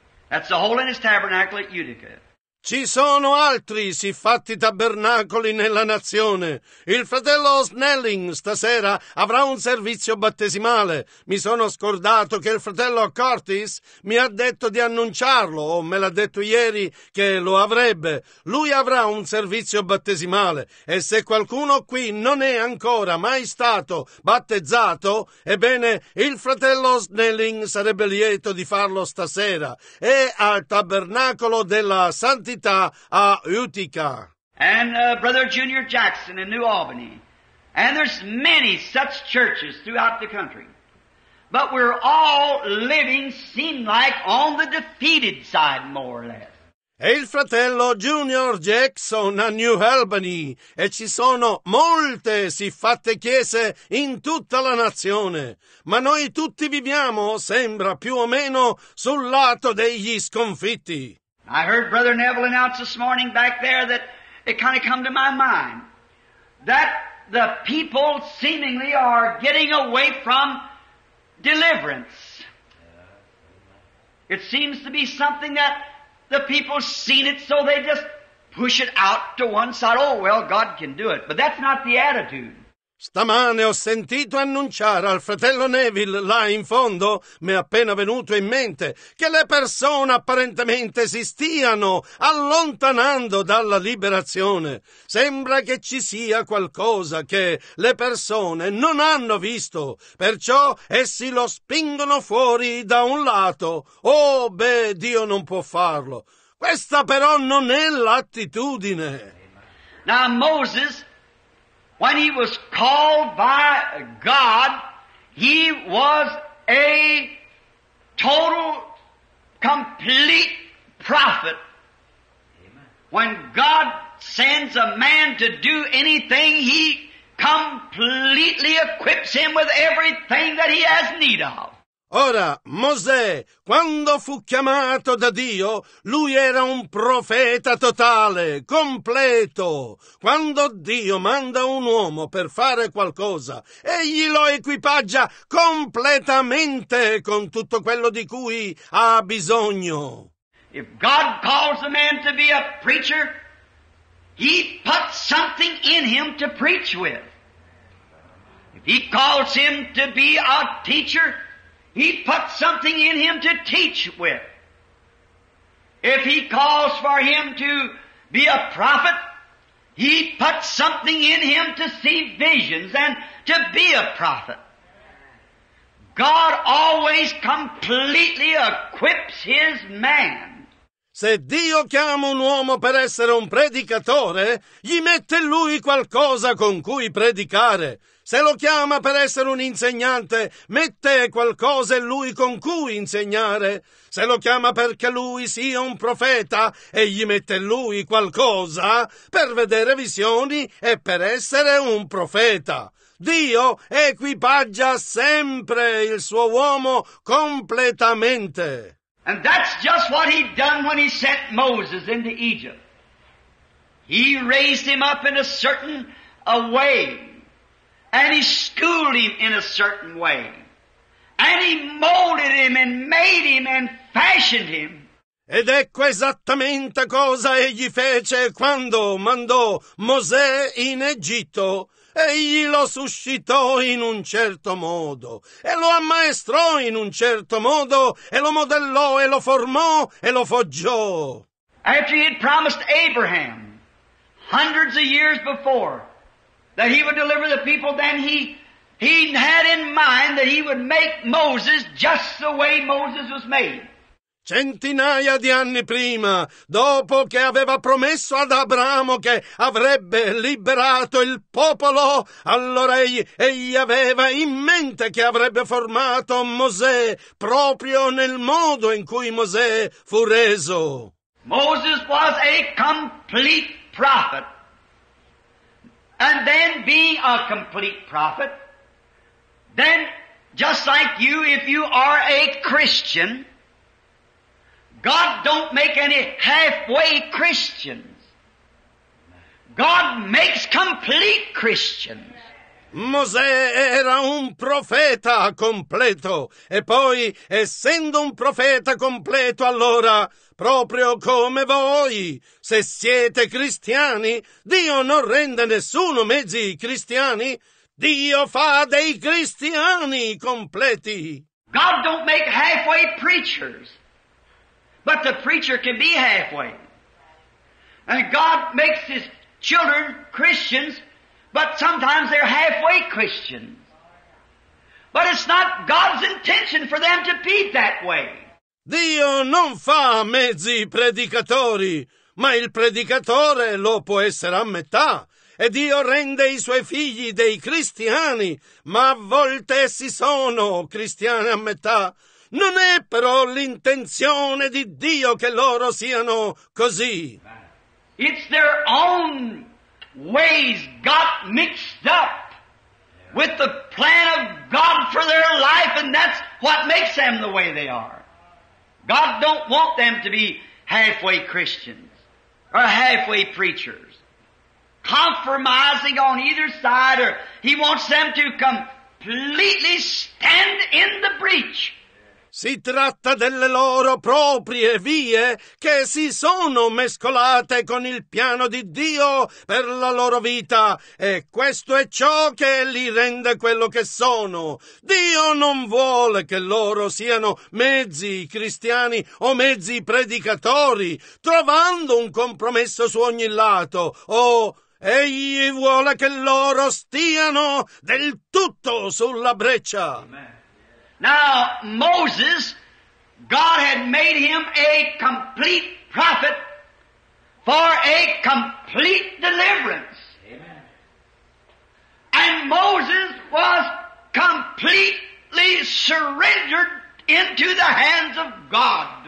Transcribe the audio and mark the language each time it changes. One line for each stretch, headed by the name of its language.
English: That's the Holiness Tabernacle at Utica.
Italian: Ci sono altri siffatti tabernacoli nella nazione. Il fratello Snelling stasera avrà un servizio battesimale. Mi sono scordato che il fratello Curtis mi ha detto di annunciarlo, o me l'ha detto ieri che lo avrebbe. Lui avrà un servizio battesimale. E se qualcuno qui non è ancora mai stato battezzato, ebbene il fratello Snelling sarebbe lieto di farlo stasera. E al tabernacolo della Santa a Utica.
English: And Brother Junior Jackson in New Albany. And there's many such churches throughout the country. But we're all living, seem like, on the defeated side, more or less.
Italian: e il fratello Junior Jackson a New Albany, e ci sono molte siffatte chiese in tutta la nazione, ma noi tutti viviamo, sembra, più o meno sul lato degli sconfitti.
English: I heard Brother Neville announce this morning back there that it kind of come to my mind that the people seemingly are getting away from deliverance. It seems to be something that the people seen it, so they just push it out to one side. Oh, well, God can do it. But that's not the attitude.
Italian: Stamane ho sentito annunciare al fratello Neville, là in fondo, mi è appena venuto in mente, che le persone apparentemente si stiano allontanando dalla liberazione. Sembra che ci sia qualcosa che le persone non hanno visto, perciò essi lo spingono fuori da un lato. Oh, beh, Dio non può farlo. Questa però non è l'attitudine.
English: Now Moses, when he was called by God, he was a total, complete prophet. Amen. When God sends a man to do anything, he completely equips him with everything that he has need of.
Italian: Ora, Mosè, quando fu chiamato da Dio, lui era un profeta totale, completo. Quando Dio manda un uomo per fare qualcosa, egli lo equipaggia completamente con tutto quello di cui ha bisogno.
English: If God calls a man to be a preacher, he puts something in him to preach with. If he calls him to be a teacher, he puts something in him to teach with. If he calls for him to be a prophet, he puts something in him to see visions and to be a prophet. God always completely equips his man.
Italian: Se Dio chiama un uomo per essere un predicatore, gli mette lui qualcosa con cui predicare. Se lo chiama per essere un insegnante, mette qualcosa in lui con cui insegnare. Se lo chiama perché lui sia un profeta, e gli mette lui qualcosa per vedere visioni e per essere un profeta. Dio equipaggia sempre il suo uomo completamente.
English: And that's just what he'd done when he sent Moses into Egypt. He raised him up in a certain way, and he schooled him in a certain way, and he molded him and made him and fashioned him.
Italian: Ed ecco esattamente cosa egli fece quando mandò Mosè in Egitto. Egli lo suscitò in un certo modo, e lo ammaestrò in un certo modo, e lo modellò, e lo formò, e lo foggiò.
English: After he had promised Abraham, hundreds of years before, that he would deliver the people, then he had in mind that he would make Moses just the way Moses was made.
Italian: Centinaia di anni prima, dopo che aveva promesso ad Abramo che avrebbe liberato il popolo, allora egli aveva in mente che avrebbe formato Mosè proprio nel modo in cui Mosè fu reso.
English: Moses was a complete prophet. And then being a complete prophet, then just like you, if you are a Christian, God don't make any halfway Christians. God makes complete Christians.
Italian: Mosè era un profeta completo, e poi, essendo un profeta completo, allora, proprio come voi, se siete cristiani, Dio non rende nessuno mezzi cristiani, Dio fa dei cristiani completi.
English: God don't make halfway preachers. But the preacher can be halfway. And God makes his children Christians, but sometimes they're halfway Christians. But it's not God's intention for them to be that way.
Italian: Dio non fa mezzi predicatori, ma il predicatore lo può essere a metà. e Dio rende i suoi figli dei cristiani, ma a volte essi sono cristiani a metà. Non è però l'intenzione di Dio che loro siano così.
English: It's their own ways got mixed up with the plan of God for their life, and that's what makes them the way they are. God don't want them to be halfway Christians or halfway preachers, compromising on either side, or He wants them to completely stand in the breach.
Italian: Si tratta delle loro proprie vie che si sono mescolate con il piano di Dio per la loro vita, e questo è ciò che li rende quello che sono. Dio non vuole che loro siano mezzi cristiani o mezzi predicatori, trovando un compromesso su ogni lato, o Egli vuole che loro stiano del tutto sulla breccia.
English: Amen. Now, Moses, God had made him a complete prophet for a complete deliverance. Amen. And Moses was completely surrendered into the hands of God.